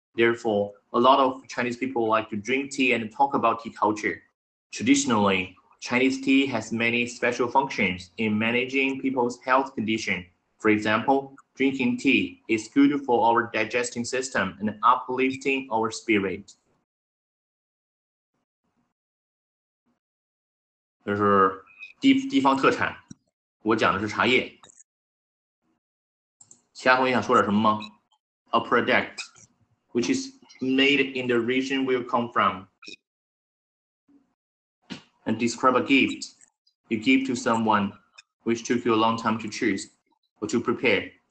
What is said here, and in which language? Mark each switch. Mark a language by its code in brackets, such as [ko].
[en] Therefore, a lot of Chinese people like to drink tea and talk about tea culture. Traditionally, Chinese tea has many special functions in managing people's health condition. For example, drinking tea is good for our digesting system and uplifting our spirit. [zh] 就是地方特产，我讲的是茶叶。其他同学想说点什么吗 [en] ？A product which is made in the region where you come from, and describe a gift you give to someone which took you a long time to choose or to prepare。